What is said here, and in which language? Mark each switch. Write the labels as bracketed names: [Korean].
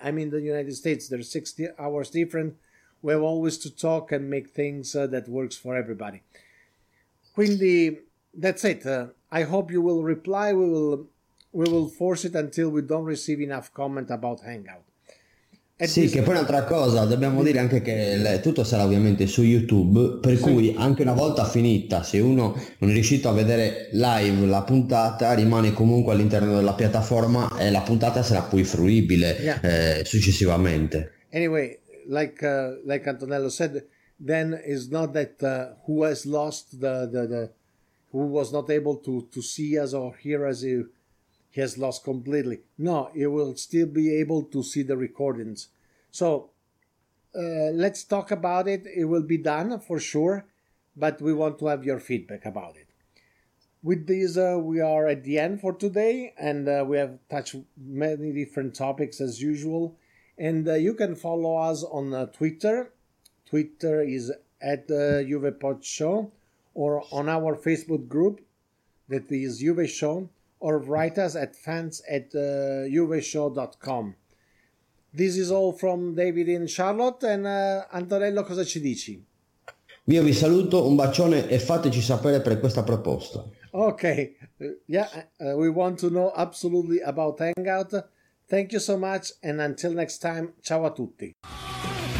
[English] I'm in the United States. They're 60 hours different. We have always to talk and make things that works for everybody. Quindi, that's it. I hope you will reply. We will force it until we don't receive enough comment about Hangout. [Italian] Sì, che poi un'altra cosa, dobbiamo dire anche che tutto sarà ovviamente su YouTube, per cui anche una volta finita, se uno non è riuscito a vedere live la puntata, rimane comunque all'interno della piattaforma e la puntata sarà poi fruibile successivamente. [English] Anyway, like Antonello said, then it's not that who has lost the who was not able to see us or hear us, he has lost completely. No, you will still be able to see the recordings. So let's talk about it. It will be done for sure, but we want to have your feedback about it. With this, we are at the end for today, and we have touched many different topics as usual. And you can follow us on Twitter. Twitter is at JuvePodShow, or on our Facebook group that is JuveShow, or write us at fans@juveshow.com. This is all from David in Charlotte, and Antonello, [Italian] cosa ci dici? Io vi saluto, un bacione e fateci sapere per questa proposta. [English] Okay, yeah, we want to know absolutely about Hangout. Thank you so much, and until next time, [Italian] ciao a tutti.